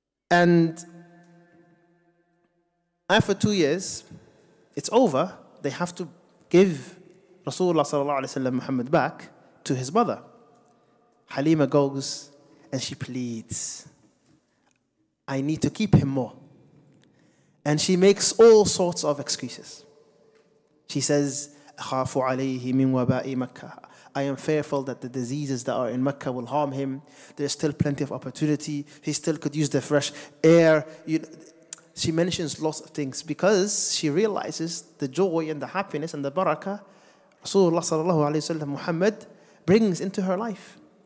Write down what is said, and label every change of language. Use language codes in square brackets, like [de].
[en] And after 2 years, it's over. They have to give Rasulullah sallallahu alaihi wasallam Muhammad back to his mother. Halima goes and she pleads, I need to keep him more. And she makes all sorts of excuses. She says, [ar] أَخَافُ عَلَيْهِ مِنْ وَبَاءِ مَكَّةِ. [en] I am fearful that the diseases that are in Mecca will harm him. There's still plenty of opportunity. He still could use the fresh air. She mentions lots of things because she realizes the joy and the happiness and the barakah Rasulullah sallallahu alayhi wa sallam Muhammad brings into her life.